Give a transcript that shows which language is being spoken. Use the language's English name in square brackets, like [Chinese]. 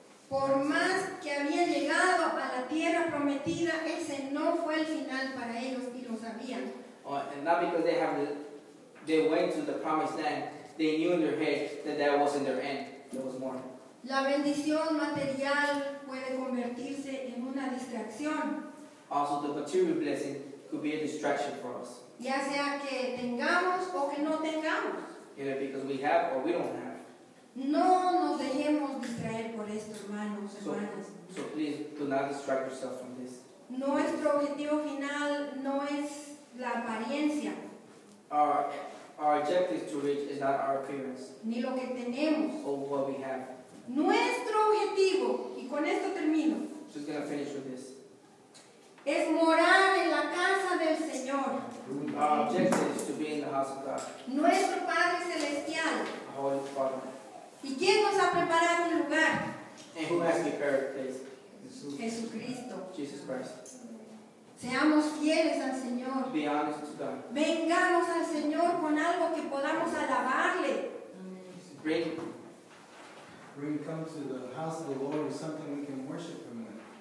[Spanish] Por más que habían llegado a la tierra prometida, ese no fue el final para ellos y lo sabían. [English] And not because they went to the promised land, they knew in their head that wasn't their end, there was more. [Spanish] La bendición material puede convertirse en una distracción. [English] Also, the material blessing could be a distraction for us. [Spanish] Ya sea que tengamos o que no tengamos. [English] Either because we have or we don't have. [Spanish] No nos dejemos distraer por esto, hermanos, hermanas. [English] So please do not distract yourself from this. [Spanish] Nuestro objetivo final no es la apariencia. [English] Our objective to reach is not our appearance. [Spanish] Ni lo que tenemos. [English] Or what we have. [Spanish] Nuestro objetivo, y con esto termino. [English] She's gonna finish with this. [Spanish] Es morar en la casa del Señor. [English] Our objective is to be in the house of God. [Spanish] Nuestro Padre Celestial. [English] Our Holy Father. [Spanish] ¿Y quién nos ha preparado un lugar? [English] And who has prepared a place? [Spanish] Jesucristo. [English] Jesus Christ. [Spanish] Seamos fieles al Señor. [English] Be honest to God. [Spanish] Vengamos al Señor con algo que podamos alabarle. [English] When we come to the house of the Lord with something we can worship Him with.